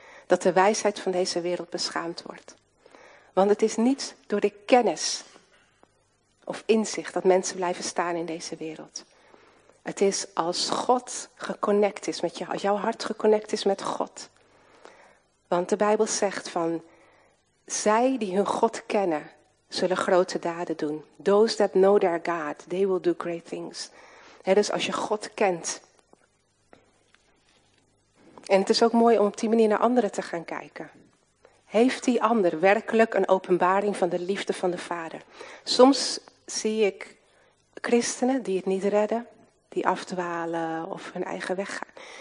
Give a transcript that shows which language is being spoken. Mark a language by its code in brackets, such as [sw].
[nl] Dat de wijsheid van deze wereld beschaamd wordt. Want het is niet door de kennis of inzicht dat mensen blijven staan in deze wereld. Het is als God geconnect is met jou, als jouw hart geconnect is met God. Want de Bijbel zegt van, zij die hun God kennen, zullen grote daden doen. [en] Those that know their God, they will do great things. [nl] He, dus als je God kent. En het is ook mooi om op die manier naar anderen te gaan kijken. Heeft die ander werkelijk een openbaring van de liefde van de Vader? Soms zie ik christenen die het niet redden, die afdwalen of hun eigen weg gaan.